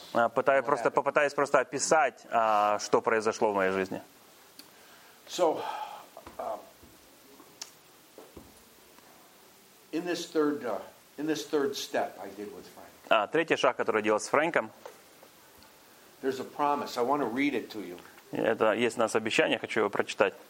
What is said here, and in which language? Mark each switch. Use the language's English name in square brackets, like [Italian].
[Russian] Попытаюсь просто описать, что произошло в моей жизни. [English] So, in this third step I did with Frank. [Russian] Третий шаг, который я делал с Фрэнком. [English] There's a promise. I want to read it to you. [Russian] Это есть у нас обещание, хочу его прочитать.